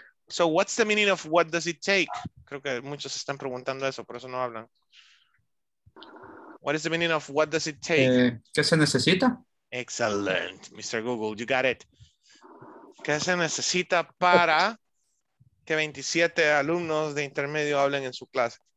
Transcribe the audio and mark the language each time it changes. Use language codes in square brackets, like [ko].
[en] So what's the meaning of what does it take? [es] Creo que muchos están preguntando eso, por eso no hablan. [en] What is the meaning of what does it take? [es] ¿Qué se necesita? [en] Excellent, Mr. Google, you got it. [es] ¿Qué se necesita para que 27 alumnos de intermedio hablen en su clase?